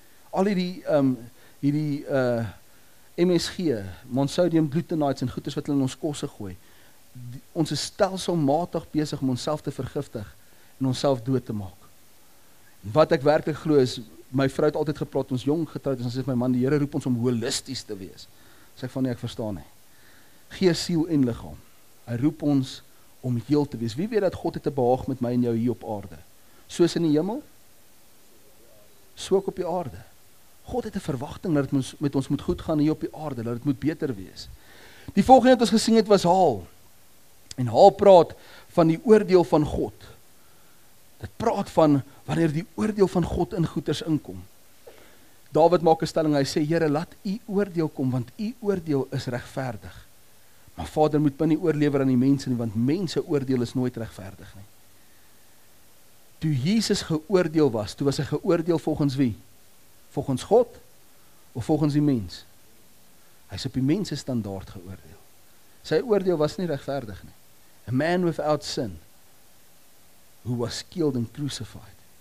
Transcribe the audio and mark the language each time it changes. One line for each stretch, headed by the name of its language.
Afrikaans: Al hierdie MSG, monosodium glutamate en goeders wat hulle in ons kosse gooi, ons is stelselmatig besig om onsself te vergiftig en onsself dood te maak. Wat ek werklik glo is, my vrou het altyd gepraat, ons jong getroud, en sy sê, my man, die Here roep ons om holisties te wees. Sê ek van nie, ek verstaan nie. Gees, siel en lichaam. Hy roep ons om heel te wees. Wie weet dat God het te behaag met my en jou hier op aarde? Soos in die hemel? So ook op die aarde. God het 'n verwagting dat het met ons moet goed gaan hier op die aarde, dat het moet beter wees. Die volgende wat ons gesien het was Haal. En Haal praat van die oordeel van God. Dit praat van wanneer die oordeel van God in goeders inkom. Dawid maak 'n stelling, hy sê, Here, laat u oordeel kom, want u oordeel is regverdig. Maar Vader moet binne oorlewer aan die mense nie, want mense oordeel is nooit regverdig nie. Toe Jesus geoordeel was, toe was hy geoordeel volgens wie? Volgens God of volgens die mens? Hy is op die mense standaard geoordeel. Sy oordeel was nie regverdig nie.
English: A man without sin, who was killed and crucified.